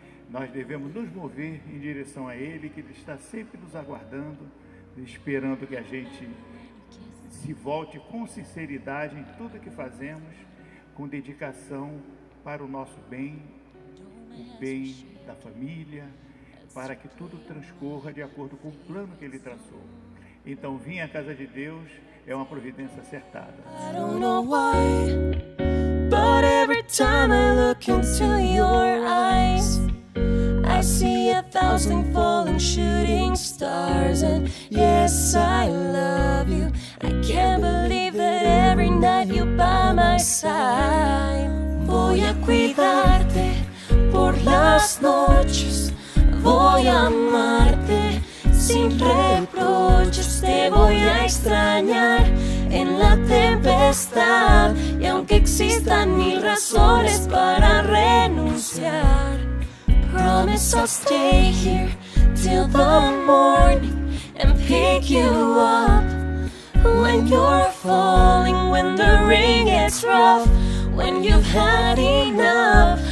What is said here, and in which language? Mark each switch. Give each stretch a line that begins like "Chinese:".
Portuguese: Nós devemos nos mover em direção a Ele, que está sempre nos aguardando, esperando que a gente se volte com sinceridade em tudo que fazemos, com dedicação para o nosso bem, o bem da família, para que tudo transcorra de acordo com o plano que Ele traçou. Então, vim à casa de Deus é uma providência acertada.
English: I don't know why, but every time I look into your eyes, I see a thousand falling shooting stars. And yes, I love you. I can't believe that every night you're by my side.
Spanish: Voy a cuidarte por las noches. Voy a amarte sin reproches. Te voy a extrañar en la tempestad. Y aunque existan mil razones para renunciar,
English: promise I'll stay here till the morning and pick you up when you're falling, when the ring gets rough, when you've had enough.